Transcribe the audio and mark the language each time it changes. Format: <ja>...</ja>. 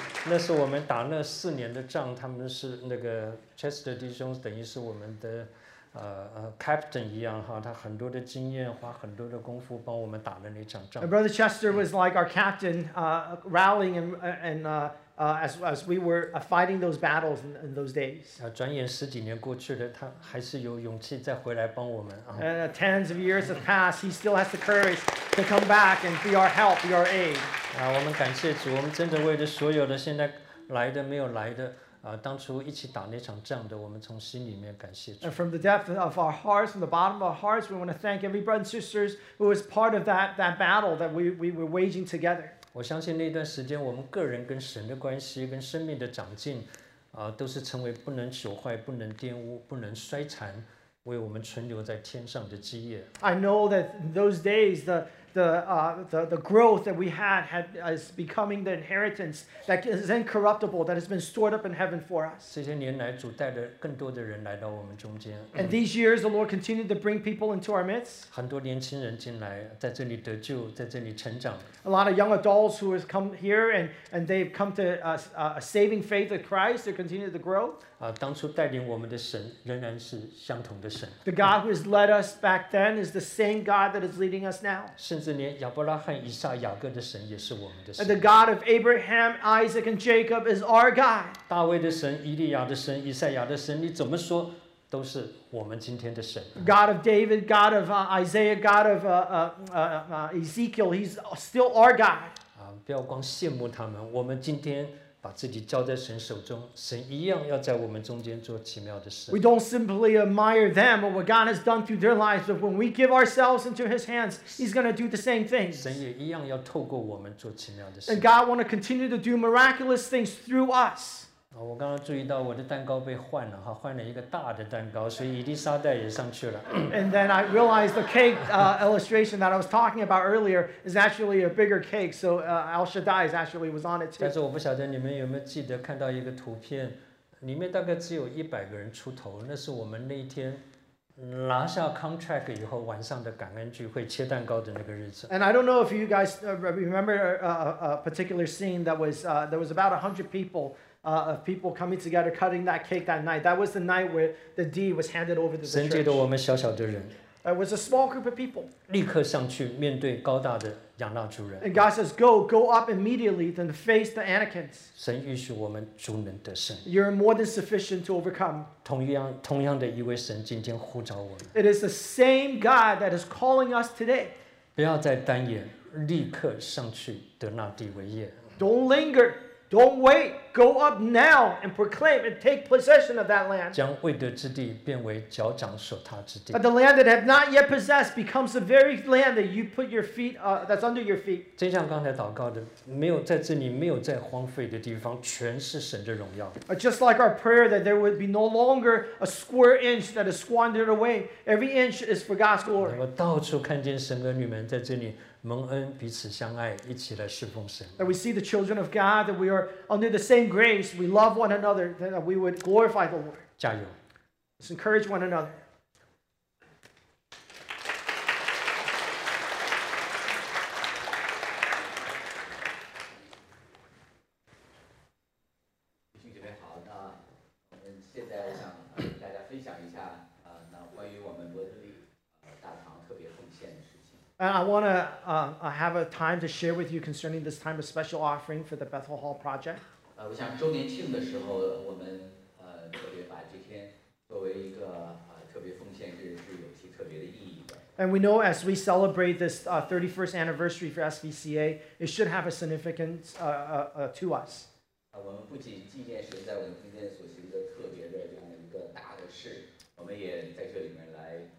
<zh>那是我们打那四年的仗，他们是那个 Chester 弟兄，等于是我们的captain 一样哈，他很多的经验，花很多的功夫帮我们打了那场仗。</zh> <en>Brother Chester was like our captain, rallying as we were fighting those battles in those days.</en> <zh>转眼十几年过去了，他还是有勇气再回来帮我们。</zh> <en>Tens of years have passed, he still has the courage to come back and be our help, be our aid.</en> <zh>我们感谢主，我们真的为了所有的现在来的没有来的，当初一起打那场仗的，我们从心里面感谢主。</zh> <en>And from the depth of our hearts, from the bottom of our hearts, we want to thank every brother and sisters who was part of that battle that we were waging together.</en> <zh>我相信那段时间我们个人跟神的关系跟生命的长进都是成为不能朽坏不能玷污不能衰残为我们存留在天上的基业。</zh> <en>I know that in those days the growth that we had is becoming the inheritance that is incorruptible that has been stored up in heaven for us.</en> <zh>这些年来主带着更多的人来到我们中间。</zh> <en>And these years the Lord continued to bring people into our midst.</en> <zh>很多年轻人进来在这里得救在这里成长。</zh> <en>A lot of young adults who have come here and they've come to a saving faith of Christ they continue to grow.</en> <zh>当初带领我们的神仍然是相同的神。</zh> <en>The God who has led us back then is the same God that is leading us now.</en> <zh>甚至连亚伯拉罕、以撒、雅各的神也是我们的神。</zh> <en>And the God of Abraham, Isaac, and Jacob is our God.</en> <zh>大卫的神、以利亚的神、以赛亚的神，你怎么说都是我们今天的神。</zh> <en>God of David, God of Isaiah, God of Ezekiel, He's still our God.</en> <zh>不要光羡慕他们，我们今天。把自己交在神手中，神一样要在我们中间做奇妙的事。</zh> <en>We don't simply admire them or what God has done through their lives, but when we give ourselves into His hands, He's going to do the same things.</en> <zh>神也一样要透过我们做奇妙的事。</zh> <en>And God want to continue to do miraculous things through us.</en> <zh>我刚刚注意到我的蛋糕被换了哈，换了一个大的蛋糕，所以伊丽莎白也上去了。</zh> <en>And then I realized the cake illustration that I was talking about earlier is actually a bigger cake, so Al Shaddai actually was on it too.</en> <zh>但是我不晓得你们有没有记得看到一个图片，里面大概只有100个人出头，那是我们那天。拿下 contract 以后晚上的感恩聚会切蛋糕的那个日子。</zh> <en>And I don't know if you guys remember a particular scene that was there was about 100 peopleof people coming together cutting that cake that night. That was the night where the deed was handed over to the church.</en> <zh>神借着我们小小的人。</zh> <en>It was a small group of people.</en> <zh>立刻上去面对高大的养老主人。</zh> <en>And God says, go up immediately and face the Anakins.</en> <zh>神预许我们主能得胜。</zh> <en>You're more than sufficient to overcome.</en> <zh>同样的一位神今天呼召我们。</zh> <en>It is the same God that is calling us today.</en> <zh>不要再单言，立刻上去得那地为业。</zh> <en>Don't linger, don't wait, go up now and proclaim and take possession of that land.</en> <zh>将未得之地变为脚掌所踏之地。</zh> <en>But the land that have not yet possessed becomes the very land that you put your feet, that's under your feet.</en> <zh>就像刚才祷告的，没有在这里，没有在荒废的地方，全是神的荣耀。</zh> <en>Just like our prayer that there would be no longer a square inch that is squandered away. Every inch is for God's glory.</en> <zh>能够到处看见神儿女们在这里。蒙恩彼此相爱一起来侍奉神</zh> <en>that we see the children of God that we are under the same grace we love one another that we would glorify the Lord</en> <zh>加油</zh> <en>let's encourage one another</en> <zh>弟兄姐妹好那我们现在想跟大家分享一下那关于我们伯特利大堂特别奉献的事情</zh> <en>And I want to have a time to share with you concerning this time of special offering for the Bethel Hall project.</en> <zh>我想周年庆的时候，我们特别把这天作为一个特别奉献日，是有其特别的意义的。</zh> <en>And we know as we celebrate this 31st anniversary for SVCA, it should have a significance to us.</en> <zh>我们不仅纪念神在我们中间所行的特别的这样一个大的事，我们也在这里面来。</zh>